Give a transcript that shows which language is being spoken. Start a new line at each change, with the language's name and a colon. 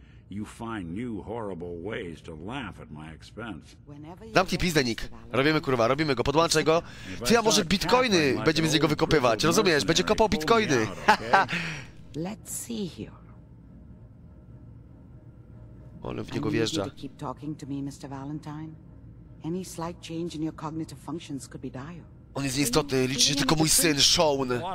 English: You find new horrible ways to laugh at my expense.
Polish: Dam ci pizdę, Nick. Robimy kurwa, robimy go, podłączaj go. Ty, a może bitcoiny będziemy z niego wykopywać, rozumiesz? Będzie kopał bitcoiny.
English: Let's see here.
Polish: On w niego wjeżdża.
English: Keep talking to me, Mr. Valentine. Any slight change in your cognitive functions could be dire.
Polish: On jest nieistotny, liczy się tylko mój syn, Sean.